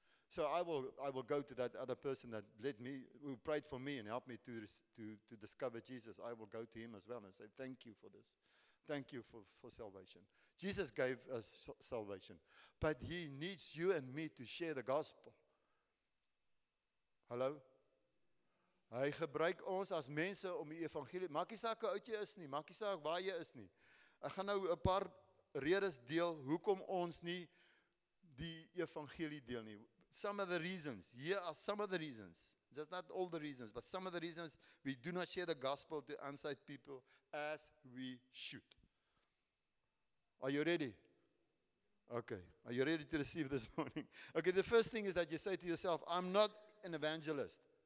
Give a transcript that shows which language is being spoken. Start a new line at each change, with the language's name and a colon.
English: So I will go to that other person that led me, who prayed for me and helped me to discover Jesus. I will go to him as well and say, thank you for this. Thank you for salvation. Jesus gave us salvation. But he needs you and me to share the gospel. Hello?
Afrikaans: Hy gebruik ons as mense om die evangelie. Maak nie saak hoe oud jy is nie. Maak nie saak waar jy is nie. Ek gaan nou 'n paar redes deel hoekom ons nie die evangelie deel nie.
English: Some of the reasons. Here are some of the reasons. Just not all the reasons, but some of the reasons we do not share the gospel to unsaved people as we should. Are you ready? Okay. Are you ready to receive this morning? Okay, the first thing is that you say to yourself, I'm not an evangelist.